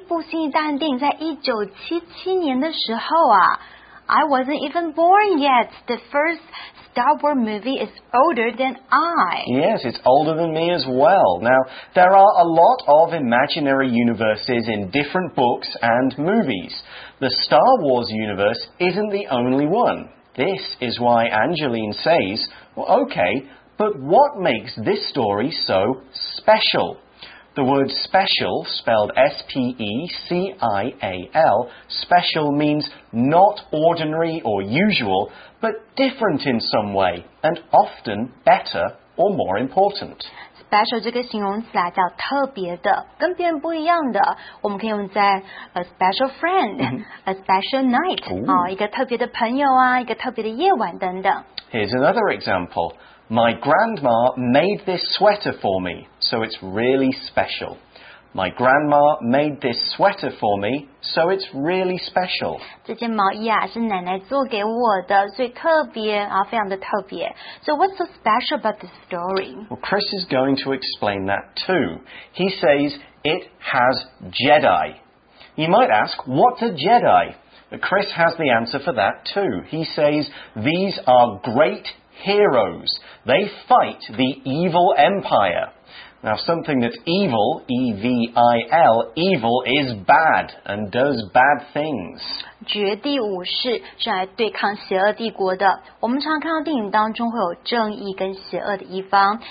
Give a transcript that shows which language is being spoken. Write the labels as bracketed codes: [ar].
[zh] 第一部星际大战电影在1977年的时候啊。 [en] I wasn't even born yet. The first Star Wars movie is older than I. Yes, it's older than me as well. Now, there are a lot of imaginary universes in different books and movies. The Star Wars universe isn't the only one. This is why Angeline says, well, okay, but what makes this story so special? The word special, spelled S-P-E-C-I-A-L, special means not ordinary or usual, but different in some way, and often better or more important. [zh] Special 这个形容词啊，叫特别的，跟别人不一样的。我们可以用在 [en] a special friend,、 a special night,、 [zh] 一个特别的朋友啊，一个特别的夜晚等等。 [en] Here's another example. My grandma made this sweater for me, so it's really special. My grandma made this sweater for me, so it's really special. [zh] 这件毛衣啊是奶奶做给我的，所以特别啊，非常的特别。 [en] So what's so special about this story? Well, Chris is going to explain that too. He says it has Jedi. You might ask, what's a Jedi? But Chris has the answer for that too. He says these are great Jedi. Heroes. They fight the evil empire. Now, something that's evil, E-V-I-L, evil is bad and does bad things. [zh] 绝地武士是来对抗邪恶帝国的。我们常看到电影当中会有正义跟邪恶的一方。